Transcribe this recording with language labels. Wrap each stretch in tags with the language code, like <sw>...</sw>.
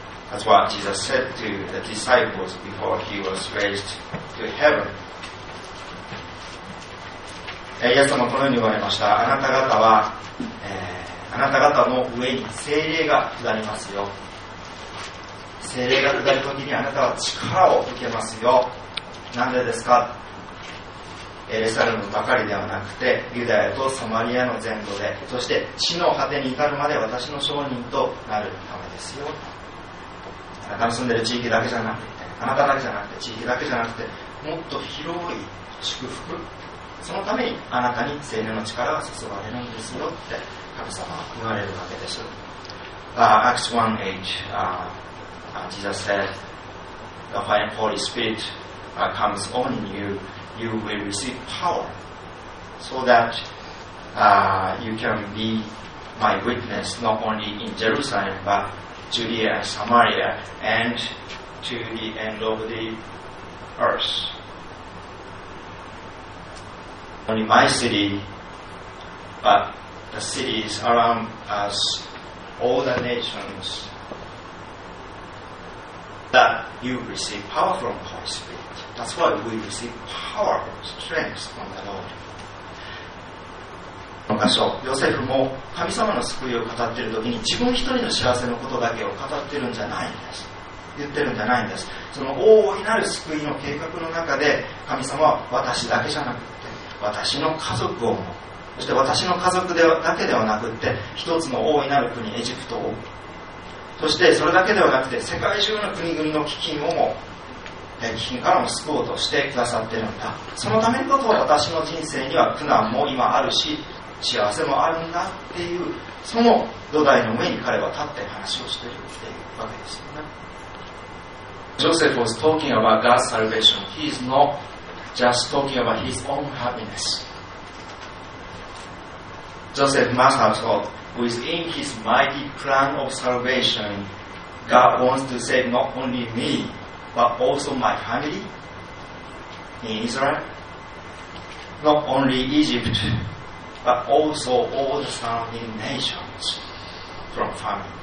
<en>That's what Jesus said to the disciples before he was raised to heaven.</en> <ja>イエス様このように言われました。あなた方は、あなた方の上に聖霊が下りますよ。聖霊が下るときにあなたは力を受けますよ。なんでですか？エルサレムばかりではなくてユダヤとサマリアの全土でそして地の果てに至るまで私の証人となるためですよ。あなたの住んでいる地域だけじゃなくてあなただけじゃなくて地域だけじゃなくてもっと広い祝福そのためにあなたに聖霊の力が注がれるんですよって神様は言われるわけです。</ja> <en>Acts 1:8 Jesus said The Holy Spirit comes on in youYou will receive power so that you can be my witness not only in Jerusalem but Judea and Samaria and to the end of the earth. Not only my city but the cities around us, all the nations, that you receive power from the Holy Spirit. That's why we receive power, strength from the Lord.</en> <ja>この箇所、ヨセフも神様の救いを語っているときに自分一人の幸せのことだけを語っているんじゃないんです。言ってるんじゃないんです。その大いなる救いの計画の中で神様は私だけじゃなくて私の家族をも、そして私の家族だけではなくて一つの大いなる国エジプトを、そしてそれだけではなくて世界中の国々の飢饉をも危険からも救おうとしてくださっているんだ。そのためこそ私の人生には苦難も今あるし幸せもあるんだっていうその土台の上に彼は立って話をしているっていうわけですよね。</ja> <en>Joseph was talking about God's salvation. He is not just talking about his own happiness. Joseph must have thought within his mighty plan of salvation God wants to save not only meBut also my family in Israel, not only Egypt, but also all the surrounding nations from famine.</en>